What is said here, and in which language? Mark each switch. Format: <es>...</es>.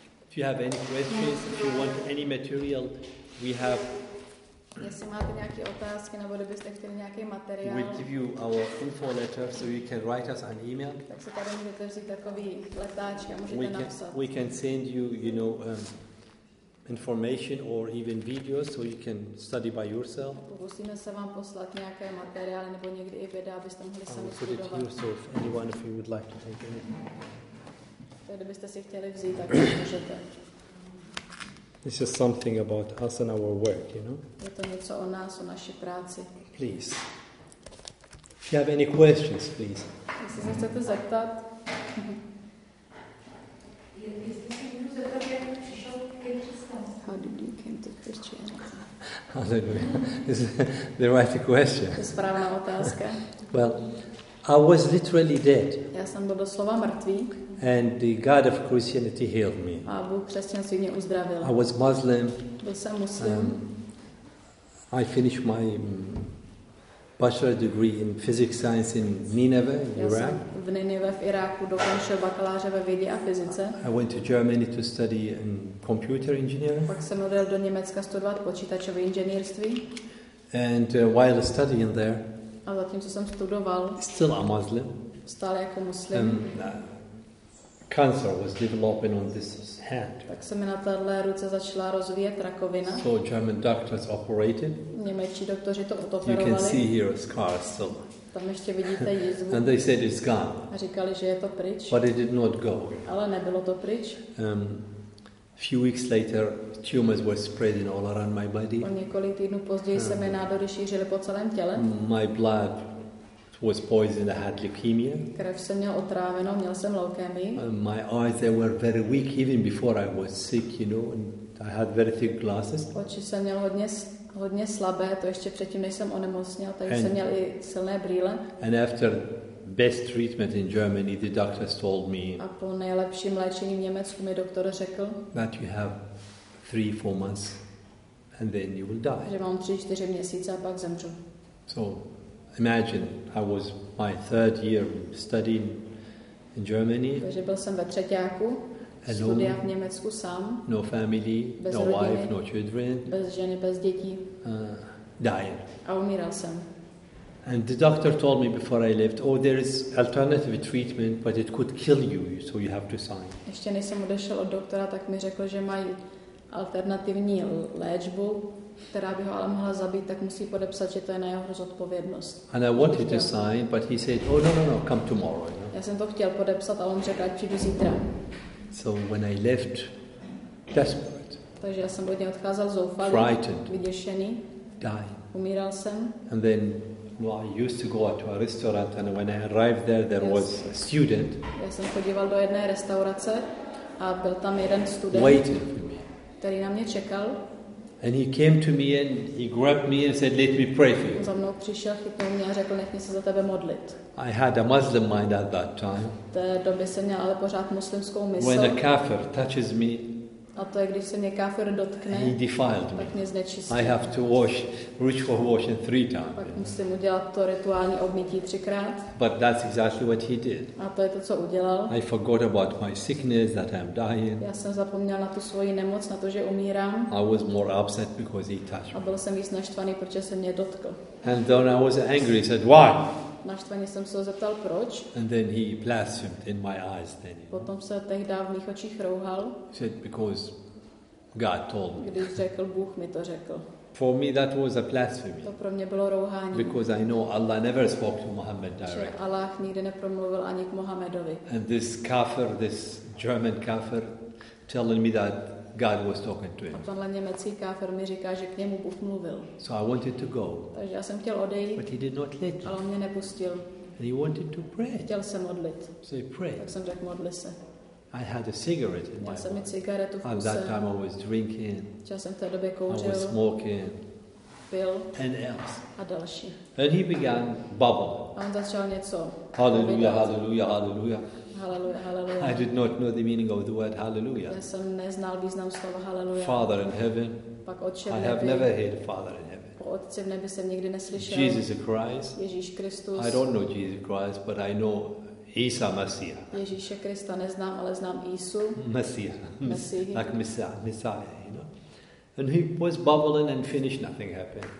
<en>If you have any questions, if you want any material, we have.</en> <cs>Jestli máte nějaké otázky nebo kdybyste chtěli nějaký materiál.</cs> <en>We'll give you our info letter, so you can write us an email.</en> <cs>Tak se tady můžete vzít takový letáček a můžete napsat.</cs> <en>We can send you, you know, information or even videos, so you can study by yourself.</en> <cs>Pokusíme se vám poslat nějaké materiály nebo někdy i videa, abyste mohli sami studovat.</cs> <en>I'll put it here, so if anyone of you would like to take any.</en> <cs>Kdybyste si chtěli vzít, tak můžete.</cs> <en>This is something about us and our work, you know.</en> <cs>Je to něco o nás, o naší práci.</cs> <en>Please. If you have any questions, please.</en> <cs>Jestli se chcete zeptat.</cs> <en>How did you come to Christianity? Hallelujah. Is the right question?</en> <cs>To je správná otázka.</cs> <en>Well, I was literally dead.</en> <cs>Já jsem byl doslova mrtvý.</cs> <en>And the God of Christianity healed me.</en> <cs>A Bůh křesťanství mě uzdravil.</cs> <en>I was Muslim.</en> <cs>Byl jsem muslim.</cs> <en>I finished my bachelor degree in physics science in Nineveh, Iraq.</en> <cs>V Nineveh v Iráku dokončil bakaláře ve vědě a fyzice.</cs> <en>I went to Germany to study in computer engineering.</en> <cs>Pak jsem odjel do Německa studovat počítačové inženýrství.</cs> <en>And while studying there.</en> <cs>A zatím, co jsem studoval.</cs> <en>Still a Muslim.</en> <cs>Stále jako muslim.</cs> <en>Cancer was developing on this hand.</en> <cs>Tak se mi na téhle ruce začala rozvíjet rakovina.</cs> <en>So German doctors operated.</en> <cs>Němečtí doktoři to odoperovali.</cs> <en>You can see here a scar still.</en> <cs>Tam ještě vidíte jizvu.</cs> <en>And they said it's gone.</en> <cs>A říkali, že je to pryč.</cs> <en>But it did not go.</en> <cs>Ale nebylo to pryč.</cs> <en>Few weeks later, tumors were spreading all around my body.</en> <cs>O několik týdnů později se mi nádory šířily po celém těle.</cs> <en>My blood was poisoned, I had leukemia.</en> <cs>Krev jsem měl otráveno, měl jsem leukemii.</cs> <en>My eyes, they were very weak even before I was sick, you know, and I had very thick glasses.</en> <cs>Oči jsem měl hodně slabé, to ještě předtím, než jsem onemocněl, tak jsem měl i silné brýle.</cs> <en>And after best treatment in Germany, the doctors told me.</en> <cs>A po nejlepším léčení v Německu mi doktor řekl.</cs> <en>That you have 3-4 months, and then you will die.</en> <cs>Že mám 3-4 měsíce a pak zemřu.</cs> <en>So. Imagine I was my third year studying in Germany.</en> <cs>Takže byl jsem ve třeťáku, studia v Německu sám.</cs> <en>No family, no wife, no children.</en> <cs>Bez ženy, bez dětí.</cs> <en>Dying.</en> <cs>A umíral jsem.</cs> <en>And the doctor told me before I left, oh, there is alternative treatment, but it could kill you, so you have to sign.</en> <cs>Ještě než jsem odešel od doktora, tak mi řekl, že mají alternativní léčbu, která by ho ale mohla zabít, tak musí podepsat, že to je na jeho zodpovědnost.</cs> <en>And I wanted to sign, but he said, oh, no, come tomorrow. You know?</en> <cs>Já jsem to chtěl podepsat, a on řekl, ať přijdu zítra.</cs> <en>So when I left, desperate.</en> <cs>Takže já jsem od něj odcházel zoufalý,</cs> <en>frightened,</en> <cs>vyděšený,</cs> <en>dying.</en> <cs>Umíral jsem.</cs> <en>And then, well, I used to go out to a restaurant, and when I arrived there, there was a student.</en> <cs>Já jsem chodíval do jedné restaurace a byl tam jeden student.</cs> <en>Waiting for me.</en> <cs>Který na mě čekal.</cs> <en>And he came to me and he grabbed me and said, "Let me pray for you."</en> <cs>Za mnou přišel, chytnul mě a řekl, nech mě se za tebe modlit.</cs> <en>I had a Muslim mind at that time.</en> <cs>V té době jsem měl ale pořád muslimskou mysl.</cs> <en>When a kafir touches me.</en> <cs>A to je, když se mě kafir dotkne.</cs> <en>He defiled</en> <cs>me. Tak mě znečistil.</cs> <en>I have to wash, ritual washing three times.</en> <cs>Pak musím udělat to rituální obmytí třikrát.</cs> <en>But that's exactly what he did.</en> <cs>A to je to, co udělal.</cs> <en>I forgot about my sickness, that I'm dying.</en> <cs>Já jsem zapomněl na tu svoji nemoc, na to, že umírám.</cs> <en>I was more upset because he touched me.</en> <cs>A byl jsem víc naštvaný, protože se mě dotkl.</cs> <en>And then I was angry. He said, "Why?"</en> <cs>Naštvaně jsem se ho zeptal, proč.</cs> <en>And then he blasphemed in my eyes then.</en> <cs>Potom se tehdy v mých očích rouhal.</cs> <en>He said, "Because God told me."</en> <cs>Když řekl, Bůh mi to řekl.</cs> <en>For me that was a blasphemy.</en> <cs>To pro mě bylo rouhání.</cs> <en>Because I know Allah never spoke to Muhammad directly.</en> <cs>Allah nikdy nepromluvil ani k Muhammadovi.</cs> <en>And this kafir, this German kafir, telling me that God was talking to him.</en> <cs>A tenhle německý káfer mi říká, že k němu Bůh mluvil.</cs> <en>So I wanted to go.</en> <cs>Takže já jsem chtěl odejít.</cs> <en>But he did not let</en> <cs>me. Ale on mě nepustil.</cs> <en>And he wanted to pray.</en> <cs>Chtěl se modlit.</cs> <en>So he prayed.</en> <cs>Tak jsem řekl, modli se.</cs> <en>I had a cigarette in my mouth.</en> <cs>Já jsem mi cigaretu v puse.</cs> <en>At that time I was drinking.</en> <cs>Já jsem v té době kouřil.</cs> <en>I was smoking.</en> <cs>Pil.</cs> <en>And else.</en> <cs>A další.</cs> <en>And he began bubble.</en> <cs>A on začal něco. Hallelujah, hallelujah, hallelujah. Hallelujah, hallelujah.</cs> <en>I did not know the meaning of the word hallelujah.</en> <cs>Já jsem neznal význam slova hallelujah.</cs> <en>Father in heaven.</en> <cs>Pak Otče v nebi.</cs> <en>I have never heard Father in heaven.</en> <cs>Po Otci v nebi jsem nikdy neslyšel.</cs> <en>Jesus Christ.</en> <cs>Ježíš Kristus.</cs> <en>I don't know Jesus Christ, but I know Isa Messiah.</en> <cs>Ježíše Krista neznám, ale znám Isu.</cs> <en>Messiah.</en> <cs>Messiah.</cs> <en>Like Messiah, you know. And he was bubbling and finished, nothing happened.</en>